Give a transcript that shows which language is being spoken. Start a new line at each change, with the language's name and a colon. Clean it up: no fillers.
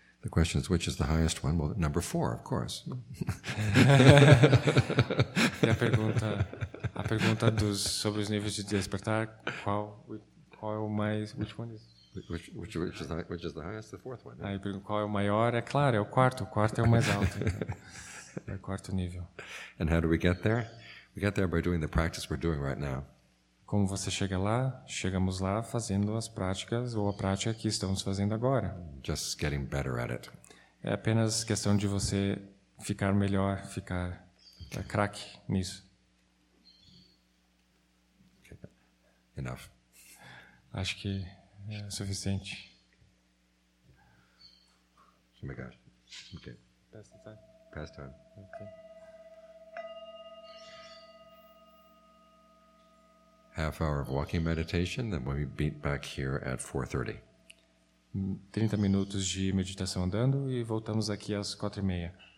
English: The question is, which is the highest one? Well, number four, of course.
Portuguese: E a pergunta dos sobre os níveis de despertar, qual é o mais,
English: which one is? Which is the highest? The fourth one. Yeah.
Portuguese: Aí pergunta qual é o maior? É claro, é o quarto. O quarto é o mais alto. É o quarto nível.
English: And how do we get there? We get there by doing the practice we're doing right now.
Portuguese: Como você chega lá? Chegamos lá fazendo as práticas ou a prática que estamos fazendo agora.
English: Just getting better at it.
Portuguese: É apenas questão de você ficar melhor, ficar craque nisso.
English: Okay. Enough.
Portuguese: Acho que é suficiente.
English: Oh my gosh. Okay. Past time. Okay. Half hour of walking meditation, then we'll be back here at 4:30.
Portuguese: 30 minutos de meditação andando e voltamos aqui às 4:30.